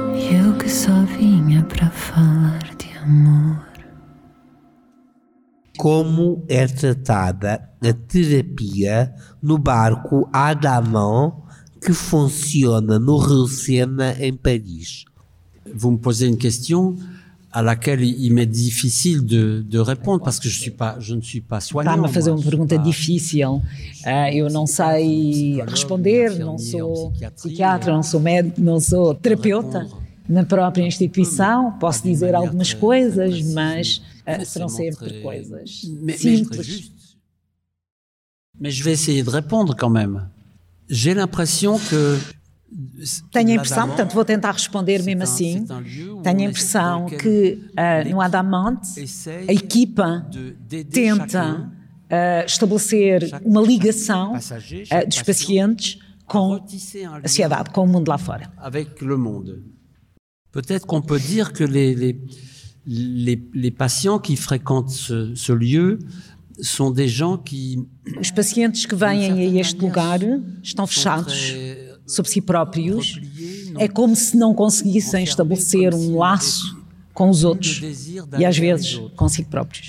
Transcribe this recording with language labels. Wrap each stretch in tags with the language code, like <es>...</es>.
<pt>Eu que só vinha para falar de amor. Como é tratada a terapia no barco Adamant, que funciona no Rio Sena, em Paris?</pt> <fr>Vous me posez une question à laquelle il m'est difficile de répondre, parce que je ne suis pas soignant.</fr> <pt>Está-me a fazer uma pergunta difícil. Eu não sei responder, não sou psiquiatra, não sou médico, não sou terapeuta na própria instituição. Posso dizer algumas coisas, mas serão sempre coisas simples.</pt> <fr>Mais je vais essayer de répondre quand même. J'ai l'impression que...</fr> <pt>Tenho a impressão, portanto vou tentar responder mesmo assim. Tenho a impressão que no Adamant a equipa tenta estabelecer uma ligação dos pacientes com a sociedade, com o mundo lá fora.</pt> <fr>Avec le monde. Peut-être qu'on peut dire que les patients qui fréquentent ce lieu... sont des gens qui,</fr> <pt>os pacientes que vêm a este lugar estão fechados sobre si próprios. É como se não conseguissem estabelecer um laço com os outros e às vezes consigo próprios.</pt>